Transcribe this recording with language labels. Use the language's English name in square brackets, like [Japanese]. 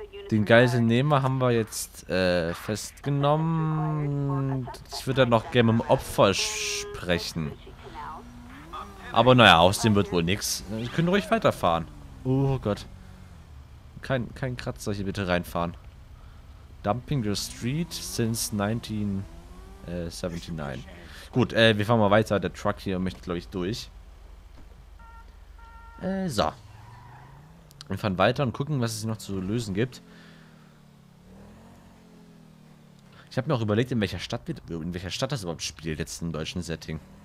[German] Den Geiselnehmer haben wir jetzt festgenommen. Ich würde dann noch gerne mit dem Opfer sprechen. Aber naja, aus dem wird wohl nichts. Wir können ruhig weiterfahren. Oh Gott. Kein Kratzer hier bitte reinfahren. [English] Dumping the street since 1979. [German] Gut, wir fahren mal weiter. Der Truck hier möchte, glaube ich, durch. So. Wir fahren weiter und gucken, was es noch zu lösen gibt. Ich habe mir auch überlegt, in welcher Stadt das überhaupt spielt, jetzt im deutschen Setting.